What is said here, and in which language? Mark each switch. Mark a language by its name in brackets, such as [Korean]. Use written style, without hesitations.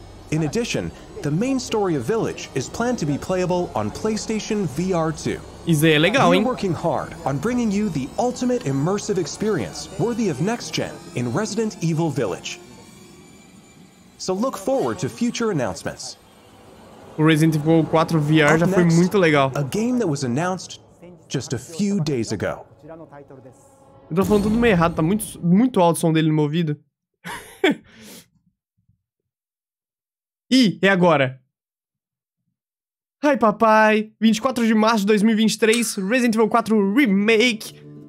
[English] In addition, the main story of Village is planned to be playable on PlayStation VR 2. [Portuguese] Isso aí é legal, hein? [English] We are working hard on bringing you the ultimate immersive experience worthy of next gen in Resident Evil Village. So look forward to future announcements. [Portuguese] O Resident Evil 4 VR já foi muito legal. [English] A game that was announced just a few days ago. [Portuguese] Eu tô falando tudo meio errado, tá muito alto o som dele no meu ouvido. Ih, é agora. Ai, papai. 24 de março de 2023, Resident Evil 4 Remake.